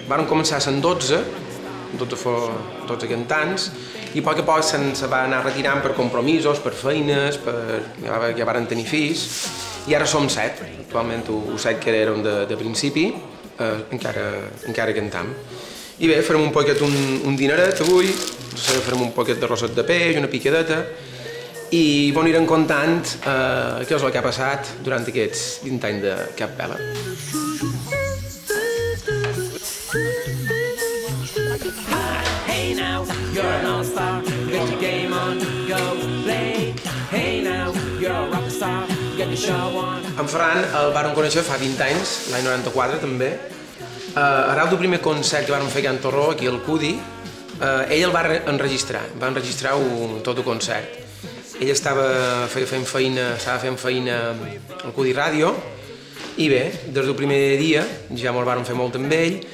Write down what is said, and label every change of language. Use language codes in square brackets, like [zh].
[ca] Vam començar sent 12, tots cantants, i a poc se'ns va anar retirant per compromisos, per feines, ja vam tenir fills, i ara som 7, actualment ho 7 que érem de principi, encara cantam. I bé, farem un poquet un dineret avui, farem un poquet de rosset de peix, una piquedeta, i bon irem contant què és el que ha passat durant aquests 20 anys de capella. [en] Hey now, you're an all-star, get your game on, go play. Hey now, you're a rock star, get your show on. [ca] En Ferran el vàrem conèixer fa 20 anys, l'any 94 també. Arrel del primer concert que vàrem fer a Can Torró, aquí al Cudi, ell el va enregistrar, va enregistrar tot el concert. Ell estava fent feina al Cudi Ràdio i bé, des del primer dia ja ens vam fer molt amb ell.